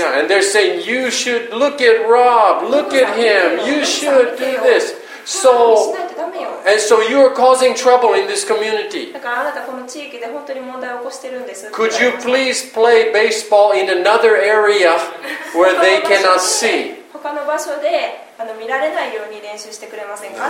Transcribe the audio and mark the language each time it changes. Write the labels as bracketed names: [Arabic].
[English] Yeah, and they're saying, you should look at Rob, look at him, you should do this. So, and so you are causing trouble in this community. [Japanese] だからあなたこの地域で本当に問題を起こしてるんです。 [English] Could you please play baseball in another area where they cannot see? [Japanese] 他の場所で見られないように練習してくれませんか?